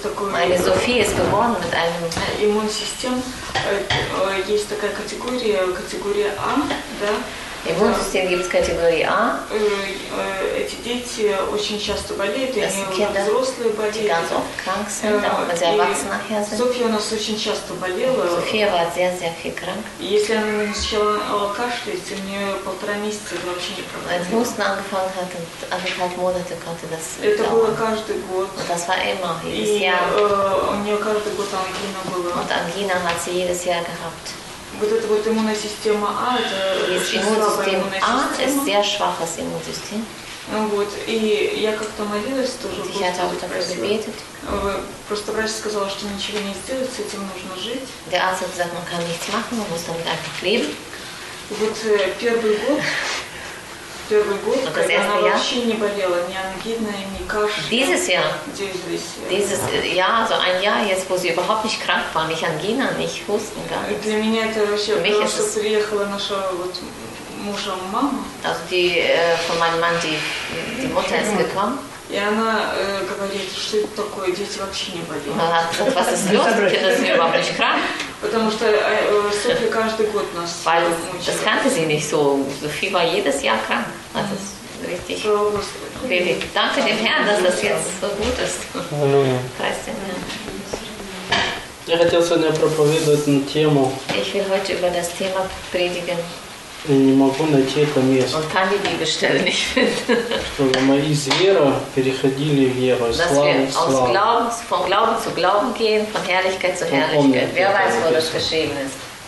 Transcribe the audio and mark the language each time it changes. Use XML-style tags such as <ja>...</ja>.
<de>Meine Sophie ist geboren mit einem Immunsystem.</de> <ru>Есть такая категория, категория А, да?</ru> <de>Immunsystem gibt es Kategorie A.</de> <ru>Эти дети очень часто болеют, они взрослые болеют.</ru> <de>Die ganz oft krank sind, auch wenn sie erwachsen nachher sind.</de> <ru>Sophie у нас очень часто болела.</ru> <de>Sophie war sehr, sehr viel krank.</de> <ru>Если она начала кашлять, у нее полтора месяца вообще не проблема.</ru> <de>Als Husten angefangen hat, anderthalb Monate konnte das dauern.</de> <ru>Это было каждый год.</ru> <de>Und das war immer, jedes Jahr.</de> <ru>У нее каждый год ангина была.</ru> <de>Und Angina hat sie jedes Jahr gehabt.</de> <ru>Вот эта вот иммуносистема А, это очень слабая иммуносистема. Вот, и я как-то молилась тоже. Я тоже просила. Просто врач сказал, что ничего не сделать, с этим нужно жить.</ru> <de>Der Arzt hat gesagt, man kann nichts machen, man muss damit einfach leben.</de> <ru>Вот первый год, когда она вообще не болела, ни ангиной, ни кашлем.</ru> <de>Dieses Jahr? Dieses Jahr, also ein Jahr jetzt, wo sie überhaupt nicht krank war, nicht Angina, nicht Husten, gar nichts.</de> <ru>Для меня это вообще просто приехала наша вот мужа мама.</ru> <de>Also die von meinem Mann die Mutter ist gekommen.</de> <ru>И она говорит, что это такое, дети вообще не болеют.</ru> <de>Was ist los? Kinder sind überhaupt nicht krank?</de> <ru>Потому что Софья каждый год нас мучила.</ru> <de>Das kannte sie nicht so. Sophie war jedes Jahr krank. Das ist richtig. Danke dem Herrn, dass das jetzt so gut ist. Preist den Herrn.</de> <ru>Я хотел сегодня проповедовать на тему.</ru> <de>Ich will heute über das Thema predigen.</de> <ru>Не могу найти это место. Он там Библию бестелл не findet. Чтобы мы из веры переходили в веру.</ru> <de>Dass wir aus Glauben, von Glauben zu Glauben gehen, von Herrlichkeit zu Herrlichkeit. Wer weiß, wo das geschrieben ist?</de>